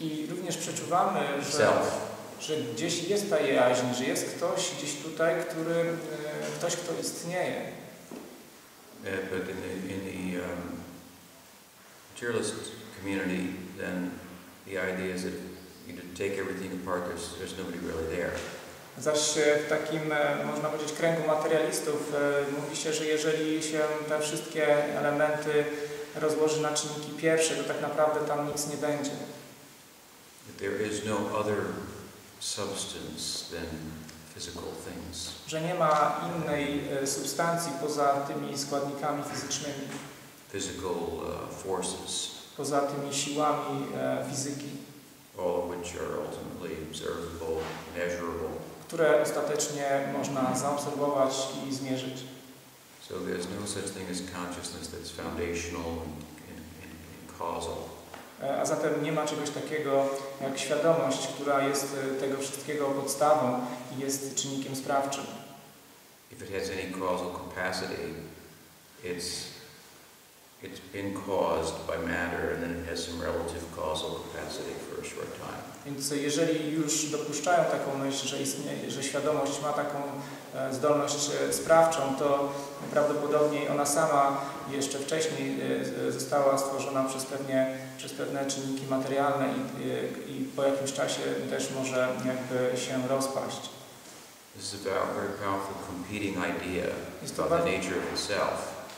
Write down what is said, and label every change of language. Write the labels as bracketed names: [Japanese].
[Polish] I również przeczuwamy, że gdzieś jest ta jaźń, że jest ktoś gdzieś tutaj, który ktoś, kto istnieje. [English] But in the materialist community, then the idea is that you take everything apart, there's nobody really there. [Polish] Zaś w takim, można powiedzieć, kręgu materialistów mówi się, że jeżeli się te wszystkie elementy rozłoży na czynniki pierwsze, to tak naprawdę tam nic nie będzie. [English] But there is no other substance than physical things. [Polish] Że nie ma innej substancji poza tymi składnikami fizycznymi. [English] Physical forces. [Polish] Poza tymi siłami fizyki. [English] All of which are ultimately observable, measurable. [Polish] Które ostatecznie można zaobserwować i zmierzyć. [English] So there's no such thing as consciousness that's foundational and causal. [Polish] A zatem nie ma czegoś takiego jak świadomość, która jest tego wszystkiego podstawą i jest czynnikiem sprawczym. [English] If it has any causal capacity, it's been caused by matter and then it has some relative causal capacity for a short time. [Polish] Więc jeżeli już dopuszczają taką myśl, że istnieje, że świadomość ma taką zdolność sprawczą, to prawdopodobnie ona sama jeszcze wcześniej została stworzona przez pewne czynniki materialne i po jakimś czasie też może jakby się rozpaść. [English] This is a very powerful competing idea about the nature of the self.